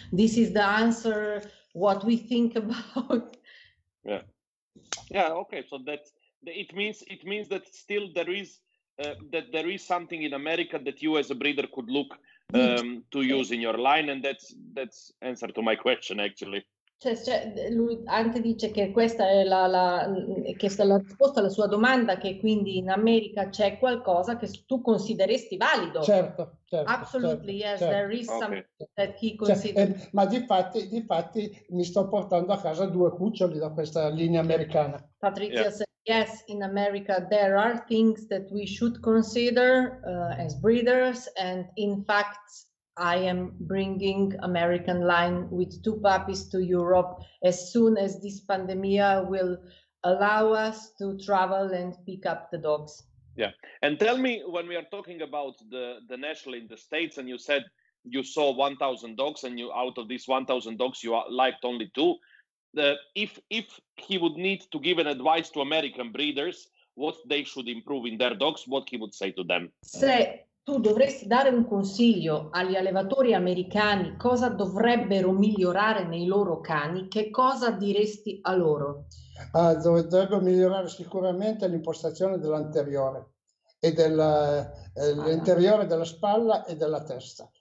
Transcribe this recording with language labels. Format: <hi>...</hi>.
<en>This is the answer, what we think about. Yeah. Okay. So that it means that still there is that there is something in America that you as a breeder could look to use in your line, and that's answer to my question actually.</en> <it>Cioè, lui anche dice che questa è la risposta alla sua domanda, che quindi in America c'è qualcosa che tu consideresti valido. Certo, certo.</it> <en>Absolutely,</en> <it>certo,</it> <en>yes, certo. There is something that he considers. Cioè,</en> <it>ma difatti mi sto portando a casa due cuccioli da questa linea americana.</it> <en>Patrizia said, yes, in America there are things that we should consider as breeders, and in fact I am bringing American line with two puppies to Europe as soon as this pandemia will allow us to travel and pick up the dogs. Yeah. And tell me, when we are talking about the national in the States, and you said you saw 1,000 dogs, and you out of these 1,000 dogs, you liked only two. If he would need to give an advice to American breeders, what they should improve in their dogs, what he would say to them?</en> <it>Say, tu dovresti dare un consiglio agli allevatori americani, cosa dovrebbero migliorare nei loro cani, che cosa diresti a loro? Dovrebbero migliorare sicuramente l'impostazione dell'anteriore e l'anteriore della spalla e della testa.</it>